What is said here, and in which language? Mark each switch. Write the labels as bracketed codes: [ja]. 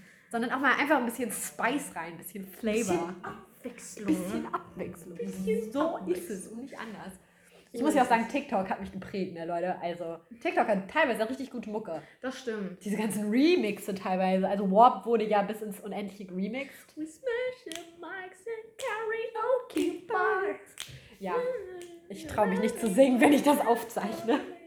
[de] Sondern auch mal einfach ein bisschen Spice rein, ein bisschen Flavor. Ein bisschen Abwechslung. Ist es und nicht anders. Ich muss ja auch sagen, TikTok hat mich geprägt, ne Leute. Also TikTok hat teilweise richtig gute Mucke. Das stimmt. Diese ganzen Remixe teilweise. Also Warp wurde ja bis ins Unendliche remixed. [en] We smash the mics and karaoke bars. [de] Ja, ich traue mich nicht zu singen, wenn ich das aufzeichne.